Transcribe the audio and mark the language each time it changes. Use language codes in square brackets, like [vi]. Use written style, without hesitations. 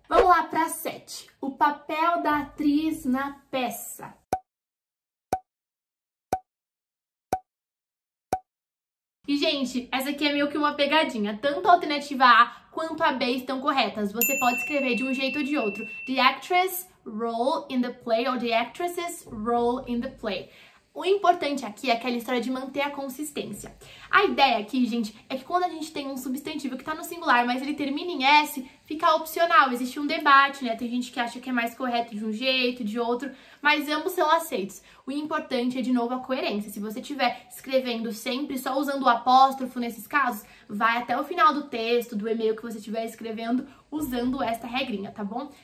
[pt] Vamos lá pra 7. O papel da atriz na peça. E, gente, essa aqui é meio que uma pegadinha. Tanto a alternativa A quanto a B estão corretas. Você pode escrever de um jeito ou de outro. [en] The actress role in the play ou the actress's role in the play. [pt] O importante aqui é aquela história de manter a consistência. A ideia aqui, gente, é que quando a gente tem um substantivo que tá no singular, mas ele termina em S, fica opcional. Existe um debate, né? Tem gente que acha que é mais correto de um jeito, de outro, mas ambos são aceitos. O importante é, de novo, a coerência. Se você estiver escrevendo sempre só usando o apóstrofo nesses casos, vai até o final do texto, do e-mail que você estiver escrevendo, usando esta regrinha, tá bom?